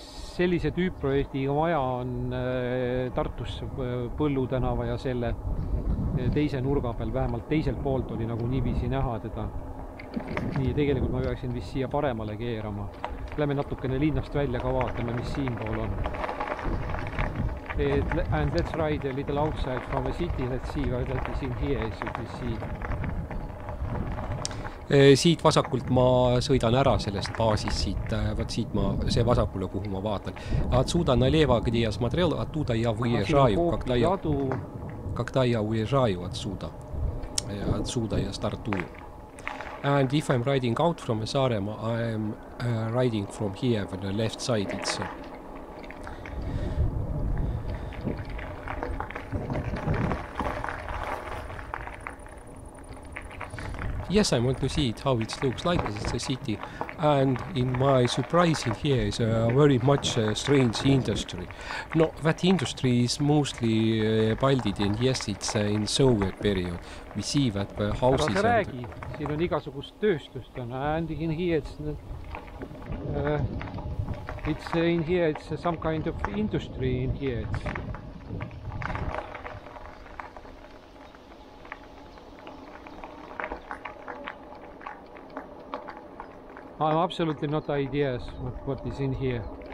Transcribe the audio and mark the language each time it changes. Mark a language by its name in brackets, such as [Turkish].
[Estonian] Sellise tüüpprojektiga maja on Tartus Põllu tänava ja selle teise nurga peal, vähemalt teiselt poolt oli nagu niiviisi näha teda. Nii, tegelikult ma peaksin vist siia paremale keerama. Läheme natukene linnast välja ka vaatame, mis siin pool on. [English] And let's ride a little outside from the city, let's see what that is in here, so we see. [Estonian] Siit vasakult ma sõidan ära sellest baasist siit, vaat siit ma, see vasakule, kuhu ma vaatan. [Russian] Отсюда налево, где я смотрел, оттуда я выезжаю, когда я уезжаю отсюда, отсюда я стартую. [English] And if I'm riding out from Saaremaa, I'm riding from here, from the left side, it's... Yes, I want to see it, how it looks like, it's a city. And in my surprise in here is a very much strange industry. No, that industry is mostly built in, yes, it's in Soviet period. We see that the houses... [Estonian] Aga sa räägi, siin on igasugust tööstust. [English] And in here it's... it's in here, it's some kind of industry in here. I have absolutely not ideas what is in here.